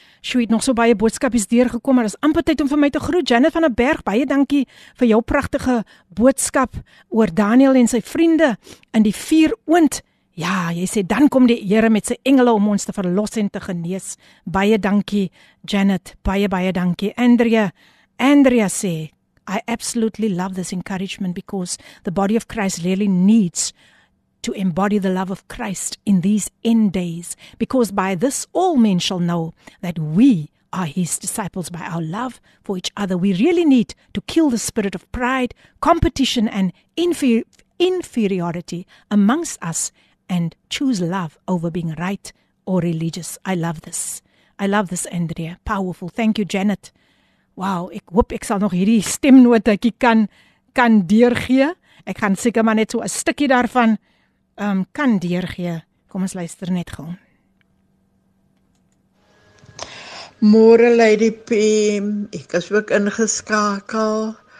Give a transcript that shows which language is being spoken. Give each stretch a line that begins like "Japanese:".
Afrikaans: Sjoe, het nog so baie boodskapies deurgekom, maar dis amper tyd om vir my te groet. Janet van der Berg, baie dankie vir jou pragtige boodskap oor Daniel en sy vriende in die vier oond. Ja, jy sê dan kom die Here met sy engele om ons te verlos en te genees. Baie dankie Janet, baie dankie Andrea. Andrea sê
English: I absolutely love this encouragement because the body of Christ really needs to embody the love of Christ in these end days. Because by this all men shall know that we are his disciples by our love for each other. We really need to kill the spirit of pride, competition and inferiority amongst us and choose love over being right or religious. I love this. I love this, Andrea. Powerful. Thank you, Janet.
Afrikaans: Wow, ek hoop ek sal nog hierdie stemnotetjie kan deurgee. Ek gaan seker maar net so 'n stukkie daarvan kan deurgee. Kom ons luister net gou. Môre Lady PM, ek is ook ingeskakel.